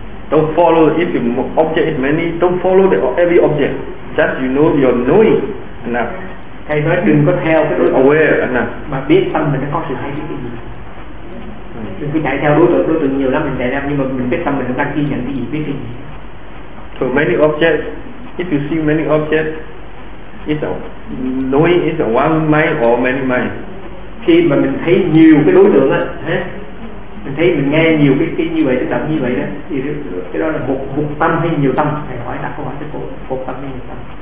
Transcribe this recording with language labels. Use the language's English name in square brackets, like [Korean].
[English] Don't follow, if your object is many, don't follow every object. Just you know you're knowing enough. [Vietnamese] hay nói đừng có theo cái đối tượng mà biết tâm mình nó có sự thay đổi. Đừng có chạy theo đối tượng nhiều lắm mình chạy theo, nhưng mà mình biết tâm mình nó đang ghi nhận cái gì, biết gì. [English] So many objects, if you see many objects, it's a knowing is one mind or many mind. [Vietnamese] Khi mà mình thấy nhiều cái đối tượng á, mình thấy mình nghe nhiều cái như vậy, cái tâm như vậy đó, thì cái đó là một tâm hay nhiều tâm? Thầy hỏi đặt câu hỏi cho cô, một tâm hay nhiều tâm?